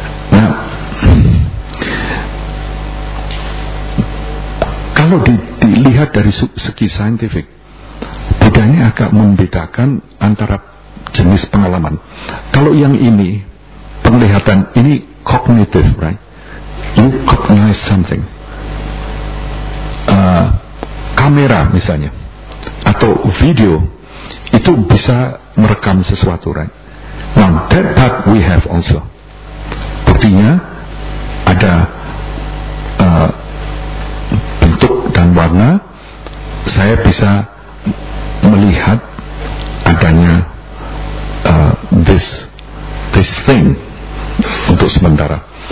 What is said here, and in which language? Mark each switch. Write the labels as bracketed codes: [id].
[id] Nah, kalau dilihat dari segi saintifik, bedanya agak membedakan antara jenis pengalaman. Kalau yang ini penglihatan, ini cognitive, right? [en] You cognize something. [id] Kamera misalnya atau video itu bisa merekam sesuatu, right? [en] Now that part we have also. [id] Buktinya ada bentuk dan warna, saya bisa melihat adanya [en] this thing [id] untuk sementara.